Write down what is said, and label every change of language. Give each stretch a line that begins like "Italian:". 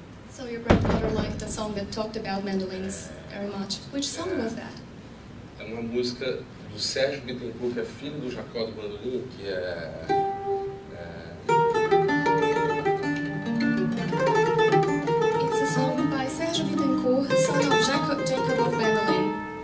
English: So your grandfather liked the song that talked about mandolins very much. Which song was that?
Portuguese: É uma música do Sérgio Bittencourt, que é filho do Jacó do Mandolim, que é...
English: It's a song by Sérgio Bittencourt, son of Jacob of Mandolin.